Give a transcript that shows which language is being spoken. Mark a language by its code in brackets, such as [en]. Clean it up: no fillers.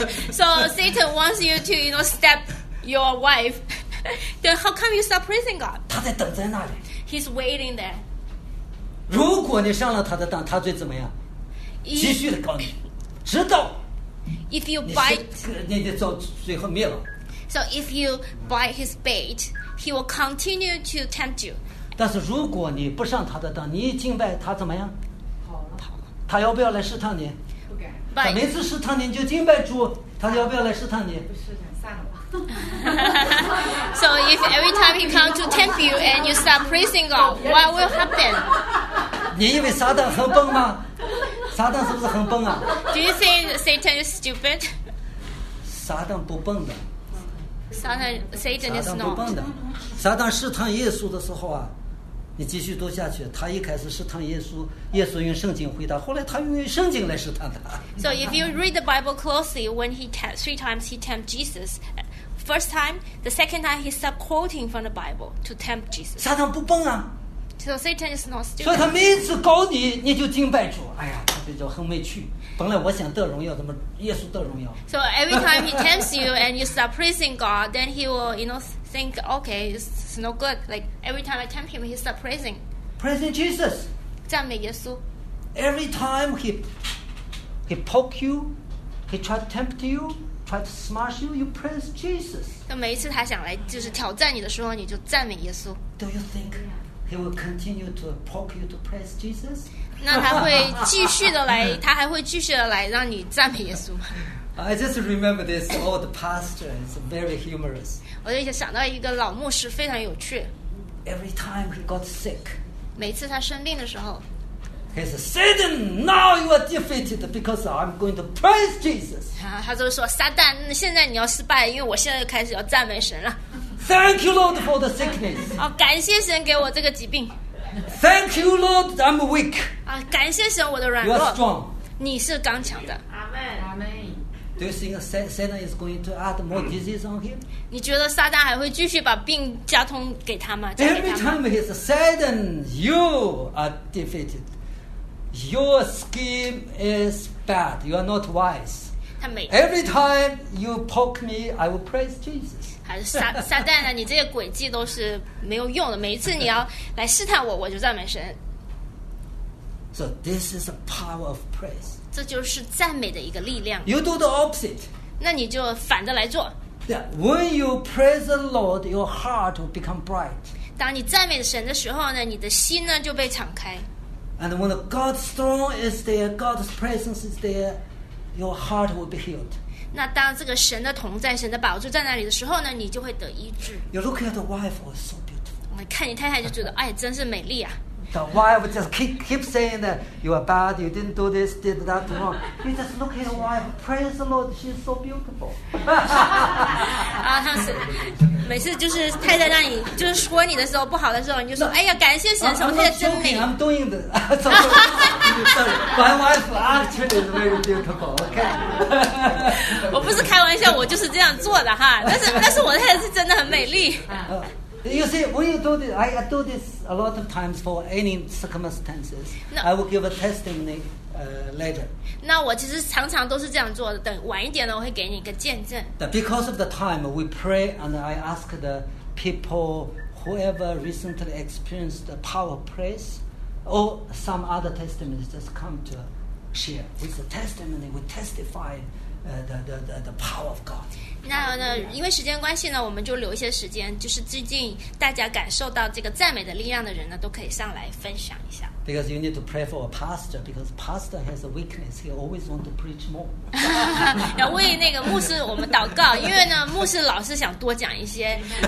[en] So Satan wants you to, you know, step your wife. Then how come you start praising God? [zh] 他在等在那里。 [en] He's waiting there. [zh] 如果你上了他的当，他最怎么样？ [en] If, [zh] 继续的告你，直到 [en] if you bite, [zh] 你得到最后灭了。 [en] So if you bite his bait, he will continue to tempt you. [zh] 但是如果你不上他的当，你一敬拜他怎么样？跑了。他要不要来试探你？不敢。他每次试探你就敬拜主，他要不要来试探你？不试探，算了吧。 [en] So if every time he comes to tempt you and you start praising God, what will happen? [zh] 你以为撒旦很笨吗？撒旦是不是很笨啊？ [en] Do you think Satan is stupid? [zh] 撒旦不笨的。 [en] Satan is not. [zh] 撒旦不笨的。撒旦试探耶稣的时候啊，你继续读下去，他一开始试探耶稣，耶稣用圣经回答，后来他用圣经来试探他。 [en] So if you read the Bible closely, when he three times he tempt Jesus, first time, the second time he start quoting from the Bible to tempt Jesus. [zh] 撒旦不笨啊。 [en] So Satan is not stupid. [zh] 所以他每次搞你，你就敬拜主。哎呀，他比较很没趣。本来我想得荣耀，怎么耶稣得荣耀 [en] ？So every time he tempts you and you start praising God, then he will, you know, think, okay, it's no good. Like every time I tempt him, he start praising. Praising Jesus. [zh] 赞美耶稣。 [en] Every time he poke you, he try to tempt you, try to smash you, you praise Jesus. [zh] 那每一次他想来就是挑战你的时候，你就赞美耶稣。 [en] Do you think he will continue to poke you to praise Jesus? [zh] 那他会继续的来，他还会继续的来让你赞美耶稣吗？ [en] I just remember this old pastor. It's very humorous. [zh] 我就想到一个老牧师非常有趣。 [en] Every time he got sick, [zh] 每次他生病的时候， [en] he said, "Satan, now you are defeated because I'm going to praise Jesus." [zh] 他就说，撒旦，现在你要失败，因为我现在开始要赞美神了。 [en] Thank you, Lord, for the sickness. [zh] 感谢神给我这个疾病。 [en] Thank you, Lord, I'm weak. [zh] 感谢神我的软弱。 [en] You are strong. [zh] 你是刚强的。 [en] Amen. Do you think Satan is going to add more disease on him? [zh] 你觉得撒旦还会继续把病加通给他吗？ [en] Every time he says, "Satan, you are defeated. Your scheme is bad. You are not wise." Every time you poke me, I will praise Jesus. [zh] 撒旦啊，你这些诡计都是没有用的，每一次你要来试探我，我就赞美神。 [en] So this is the power of praise. [zh] 这就是赞美的一个力量。 [en] You do the opposite. [zh] 那你就反着来做。 [en] Yeah, when you praise the Lord, your heart will become bright. [zh] 当你赞美神的时候呢，你的心呢就被敞开。 [en] And when God's throne is there, God's presence is there, your heart will be healed. [zh] 那当这个神的同在，神的宝座在那里的时候呢，你就会得医治。 [en] You look at the wife, was so beautiful. [zh] 我看你太太就觉得，哎，真是美丽啊。 [en] The wife just keep saying that you are bad, you didn't do this, did that wrong. You just look at the wife, praise the Lord, she's so beautiful. [zh] 啊，他是每次就是太太让你就是说你的时候不好的时候，你就说， [en] no, [zh] 哎呀，感谢神，太太真美。 [en] I'm doing the, my wife actually is very beautiful. Okay. [zh] 我不是开玩笑，我就是这样做的哈。但是我太太是真的很美丽。 [en] You see, when you do this, I do this a lot of times for any circumstances. No, I will give a testimony later. [zh] 那我其实常常都是这样做的。等晚一点呢，我会给你一个见证。 [en] Because of the time, we pray and I ask the people whoever recently experienced the power of prayer or some other testimonies just come to share with the testimony. We testify the power of God. [zh] 那呢，因为时间关系呢，我们就留一些时间，就是最近大家感受到这个赞美的力量的人呢，都可以上来分享一下。 [en] Because you need to pray for a pastor, because pastor has a weakness. He always want to preach more. [zh] 要为那个牧师我们祷告，因为呢，牧师老是想多讲一些。